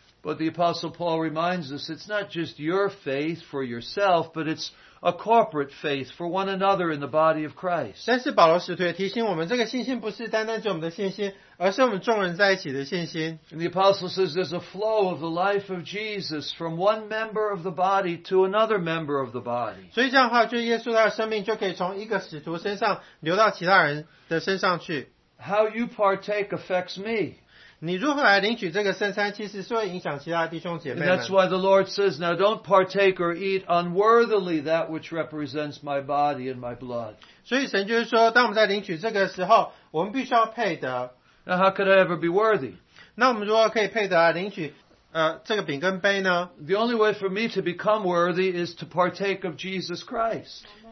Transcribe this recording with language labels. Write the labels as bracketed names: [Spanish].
[English] But the Apostle Paul reminds us it's not just your faith for yourself, but it's a corporate faith for one another in the body of Christ. [Chinese] 但是保罗使徒也提醒我们，这个信心不是单单指我们的信心，而是我们众人在一起的信心。 [English] And the Apostle says there's a flow of the life of Jesus from one member of the body to another member of the body. [Chinese] 所以这样的话，就耶稣他的生命就可以从一个使徒身上流到其他人的身上去。 [English] How you partake affects me. [Chinese] 你如何来领取这个圣餐，其实是会影响其他弟兄姐妹们。 [English] That's why the Lord says, "Now don't partake or eat unworthily that which represents my body and my blood." [Chinese] 所以神就是说，当我们在领取这个时候，我们必须要配得。 [English] Now how could I ever be worthy? [Chinese] 那我们如何可以配得来领取这个饼跟杯呢？ [English] The only way for me to become worthy is to partake of Jesus Christ.